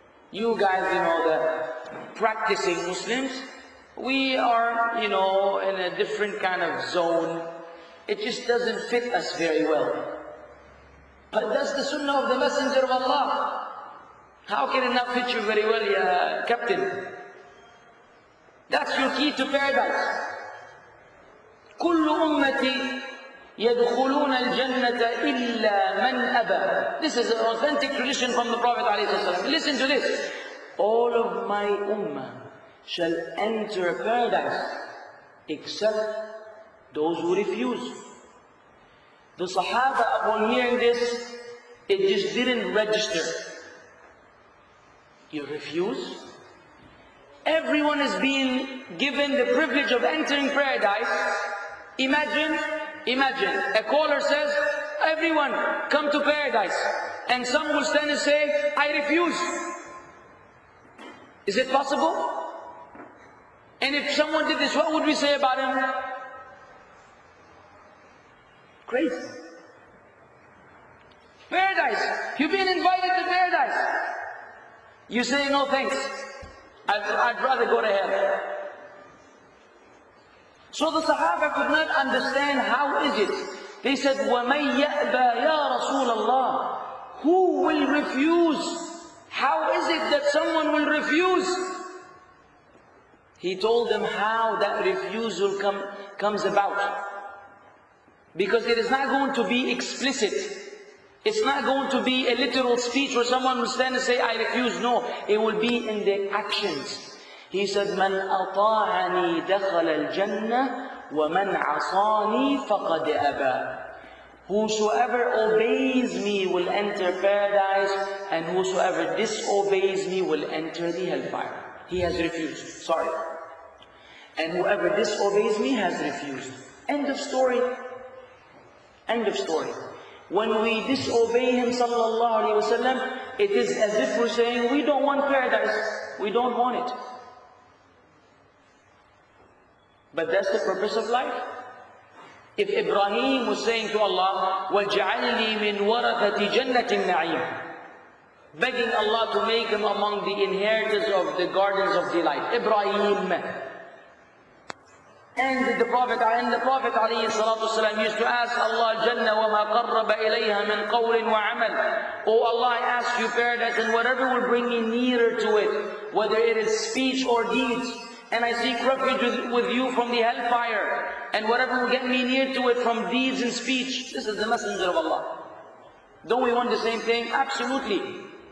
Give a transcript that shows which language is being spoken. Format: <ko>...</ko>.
<en>You guys, you know, the practicing Muslims, we are, you know, in a different kind of zone. It just doesn't fit us very well. But that's the sunnah of the Messenger of Allah. How can it not fit you very well, Captain? That's your key to paradise.</en> <ar>كل أمتي يدخلون الجنة إلا من أبى.</ar> <en>This is an authentic tradition from the Prophet</en> <ar>عليه الصلاة والسلام.</ar> <en>Listen to this. All of my ummah shall enter paradise except those who refuse. The Sahaba, upon hearing this, it just didn't register. You refuse? Everyone is being given the privilege of entering paradise. Imagine, a caller says, everyone, come to paradise. And some will stand and say, I refuse. Is it possible? And if someone did this, what would we say about him? Crazy. Paradise. You've been invited to paradise. You say, no thanks. I'd rather go to hell. So the Sahaba could not understand, how is it? They said,</en> <ar>وَمَنْ يَأْبَى يَا رَسُولَ اللَّهِ.</ar> <en>Who will refuse? How is it that someone will refuse? He told them how that refusal comes about. Because it is not going to be explicit. It's not going to be a literal speech where someone will stand and say, I refuse. No, it will be in the actions. He said,</en> <ar>مَنْ أَطَاعَنِي دَخَلَ الْجَنَّةِ وَمَنْ عَصَانِي فَقَدْ أَبَى.</ar> <en>Whosoever obeys me will enter paradise, and whosoever disobeys me will enter the hellfire. He has refused. Sorry. And whoever disobeys me has refused. End of story. End of story. When we disobey him sallallahu alayhi wa sallam, it is as if we're saying, we don't want paradise. We don't want it. But that's the purpose of life. If Ibrahim was saying to Allah,</en> <ar>وَجْعَلْنِي مِنْ وَرَثَةِ جَنَّةِ النَّعِيمِ,</ar> <en>begging Allah to make him among the inheritors of the gardens of delight, Ibrahim. And the Prophet عليه الصلاة والسلام used to ask Allah,</en> <ar>جَنَّ وَمَا قَرَّبَ إِلَيْهَا مِنْ قَوْلٍ وَعَمَلٍ.</ar> <en>Oh Allah, I ask you paradise and whatever will bring me nearer to it, whether it is speech or deeds. And I seek refuge with you from the hellfire, and whatever will get me near to it from deeds and speech. This is the Messenger of Allah. Don't we want the same thing? Absolutely.</en>